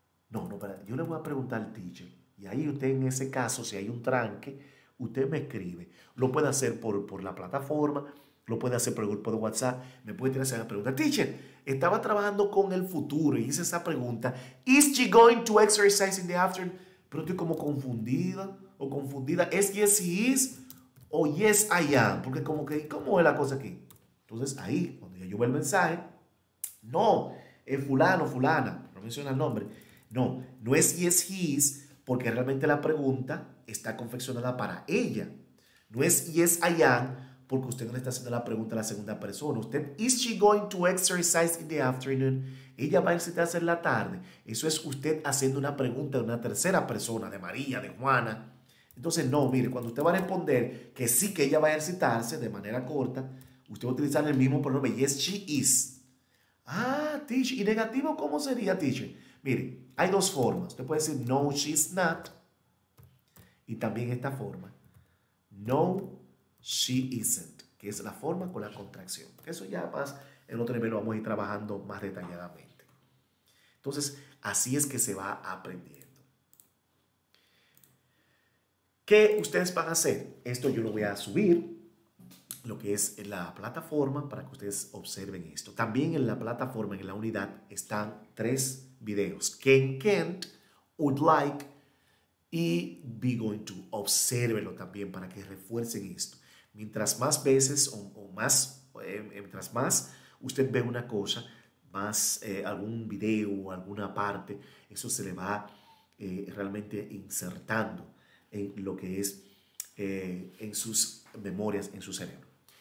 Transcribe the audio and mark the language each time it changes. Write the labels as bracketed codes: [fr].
[es] No, no, para, yo le voy a preguntar al teacher. Y ahí usted en ese caso, si hay un tranque, usted me escribe. Lo puede hacer por la plataforma, lo puede hacer por el grupo de WhatsApp. Me puede tirar esa pregunta. Teacher, estaba trabajando con el futuro y hice esa pregunta. [en] Is she going to exercise in the afternoon? [es] Pero estoy como confundida o confundida. ¿Es [en] yes he is [es] o [en] yes I am? [es] Porque como que, ¿cómo es la cosa aquí? Entonces ahí, cuando ya yo veo el mensaje, no, es fulano, fulana, no menciona el nombre. No, no es [en] yes he is, [es] porque realmente la pregunta está confeccionada para ella. No es [en] yes I am, [es] porque usted no le está haciendo la pregunta a la segunda persona. Usted, [en] is she going to exercise in the afternoon? [es] Ella va a ejercitarse en la tarde. Eso es usted haciendo una pregunta de una tercera persona, de María, de Juana. Entonces, no, mire, cuando usted va a responder que sí, que ella va a ejercitarse de manera corta, usted va a utilizar el mismo pronombre, [en] yes she is. [es] Ah, teacher, ¿y negativo cómo sería, teacher? Mire, hay dos formas. Usted puede decir, no, [en] she's not. [es] Y también esta forma. No, [en] she isn't. [es] Que es la forma con la contracción. Eso ya más en otro nivel lo vamos a ir trabajando más detalladamente. Entonces, así es que se va aprendiendo. ¿Qué ustedes van a hacer? Esto yo lo voy a subir. Lo que es la plataforma para que ustedes observen esto. También en la plataforma, en la unidad, están tres videos. [en] Can, can't, would like y be going to. [es] Obsérvelo también para que refuercen esto. Mientras más veces mientras más usted ve una cosa, más algún video o alguna parte, eso se le va realmente insertando en lo que es en sus memorias, en su cerebro.